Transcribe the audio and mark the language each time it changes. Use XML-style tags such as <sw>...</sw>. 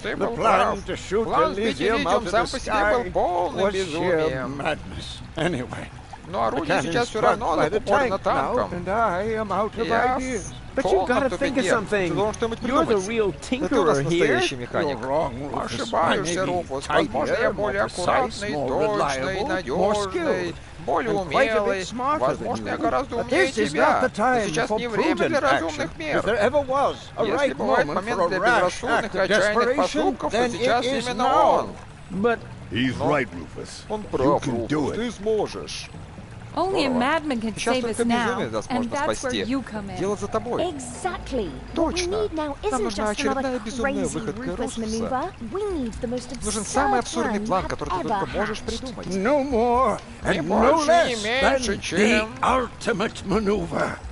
<en>The plan to shoot the Legion out of the sky was sheer madness. Anyway,</en> <ru>ну, орудие сейчас все равно, оно похоже на танком.</ru> <en>But you've got to think of something. You're the real tinkerer here. You're wrong, Руфус.</en> <ru>Ошибаешься, Руфус. Возможно, я более аккуратный, точный, надежный. Более умелый. Возможно, я гораздо умнее тебя. Но сейчас не время для разумных мер. Если бывает момент для безрассудных, отчаянных поступков, то сейчас именно он.</ru> <en>He's right, Руфус.</en> <ru>Он прав, Руфус. Ты сможешь.</ru> <en>Only a madman can save us now, and that's where you come in.</en> <ru>Дело за тобой.</ru> <en>Exactly.</en> <ru>Точно.</ru> <en>What we need now isn't just another crazy Rufus maneuver. We need the most absurd plan you have ever hatched. No more and no less than the ultimate maneuver.</en>